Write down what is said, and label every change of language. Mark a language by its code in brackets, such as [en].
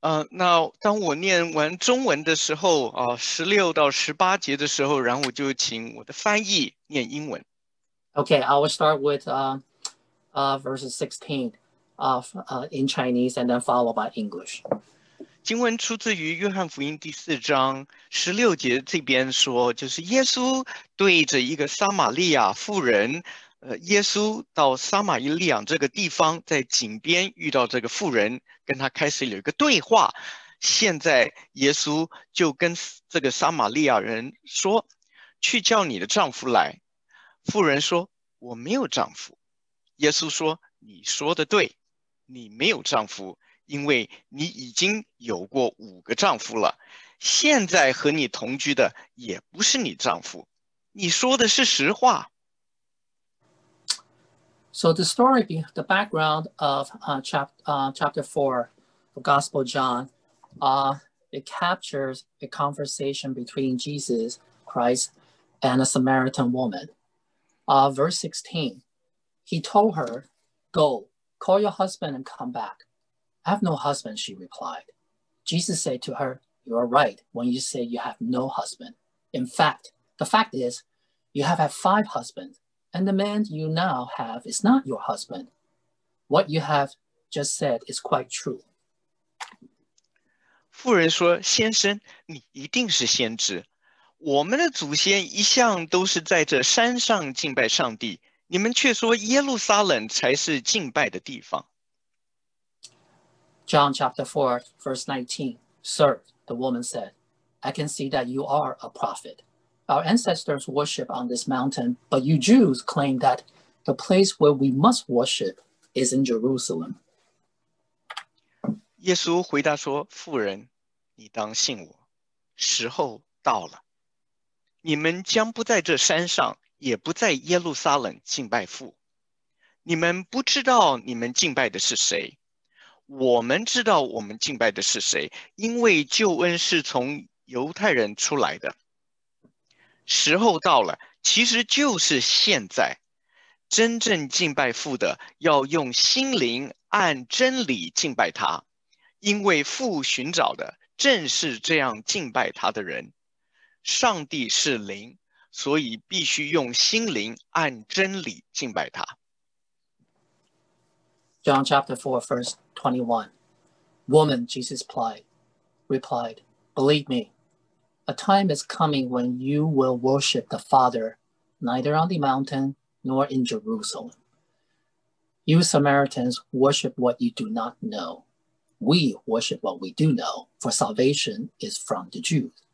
[zh] 那当我念完中文的时候啊，16到18节的时候，然后我就请我的翻译念英文。 [en] Okay, I will start with verses 16 of in Chinese and then follow by English. [zh] 经文出自于约翰福音第四章十六节，这边说就是耶稣对着一个撒玛利亚妇人，耶稣到撒玛利亚这个地方，在井边遇到这个妇人，跟他开始有一个对话。现在耶稣就跟这个撒玛利亚人说，去叫你的丈夫来。妇人说，我没有丈夫。耶稣说，你说的对，你没有丈夫，因为你已经有过5个丈夫了，现在和你同居的也不是你丈夫，你说的是实话。 [en] So the story, the background of chapter 4 of Gospel John, it captures a conversation between Jesus Christ and a Samaritan woman. Verse 16, he told her, go, call your husband and come back. I have no husband, she replied. Jesus said to her, you are right when you say you have no husband. In fact, the fact is, you have had 5 husbands. And the man you now have is not your husband. What you have just said is quite true. [zh] 妇人说，先生，你一定是先知。我们的祖先一向都是在这山上敬拜上帝，你们却说耶路撒冷才是敬拜的地方。 [en] John chapter 4, verse 19. Sir, the woman said, I can see that you are a prophet. Our ancestors worship on this mountain, but you Jews claim that the place where we must worship is in Jerusalem. [zh] 耶稣回答说，妇人，你当信我，时候到了。你们将不在这山上，也不在耶路撒冷敬拜父。你们不知道你们敬拜的是谁。我们知道我们敬拜的是谁，因为救恩是从犹太人出来的。时候到了，其实就是现在。真正敬拜父的，要用心灵按真理敬拜他，因为父寻找的正是这样敬拜他的人。上帝是灵，所以必须用心灵按真理敬拜他。 [en] John chapter 4, verse 21. Woman, Jesus replied, believe me, a time is coming when you will worship the Father, neither on the mountain nor in Jerusalem. You Samaritans worship what you do not know. We worship what we do know, for salvation is from the Jews.